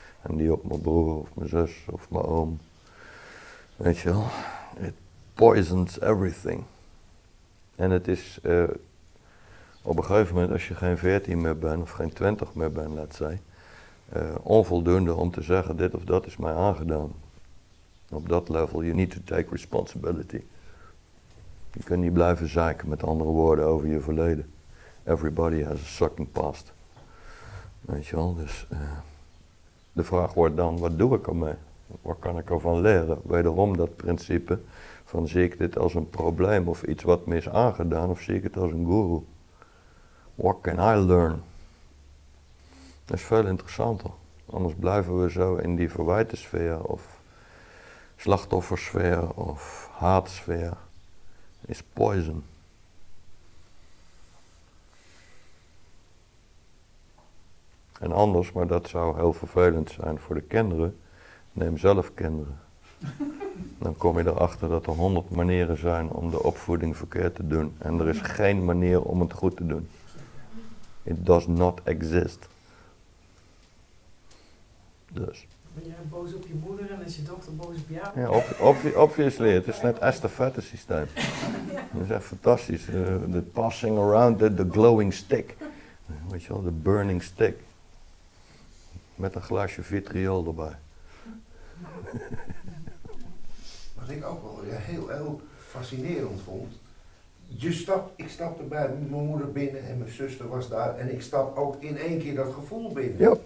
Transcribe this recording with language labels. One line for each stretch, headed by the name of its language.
Dutch: En die op mijn broer of mijn zus of mijn oom. Weet je wel,
English: it poisons everything.
Dutch: En het is op een gegeven moment, als je geen 14 meer bent of geen 20 meer bent,
English: let's say,
Dutch: onvoldoende om te zeggen dit of dat is mij aangedaan. Op dat level,
English: you need to take responsibility.
Dutch: Je kunt niet blijven zeiken met andere woorden over je verleden.
English: Everybody has a sucking past.
Dutch: Weet je wel, dus de vraag wordt dan, wat doe ik ermee? Wat kan ik ervan leren? Wederom dat principe van, zie ik dit als een probleem of iets wat me is aangedaan of zie ik het als een guru?
English: What can I learn?
Dutch: Dat is veel interessanter. Anders blijven we zo in die verwijtensfeer of slachtoffersfeer of haatsfeer.
English: Is poison.
Dutch: En anders, maar dat zou heel vervelend zijn voor de kinderen, neem zelf kinderen. Dan kom je erachter dat er 100 manieren zijn om de opvoeding verkeerd te doen. En er is geen manier om het goed te doen.
English: It does not exist.
Dutch: Dus. Ben jij boos op je moeder en is je dochter boos op jou? Ja,
English: obviously.
Dutch: Het is net estafette systeem. Dat is echt fantastisch.
English: The passing around, the glowing stick.
Dutch: Weet je wel,
English: the burning stick.
Dutch: Met een glaasje vitriol erbij. Wat ik ook wel heel fascinerend vond. Ik stapte bij mijn moeder binnen en mijn zuster was daar. En ik stap ook in één keer dat gevoel binnen.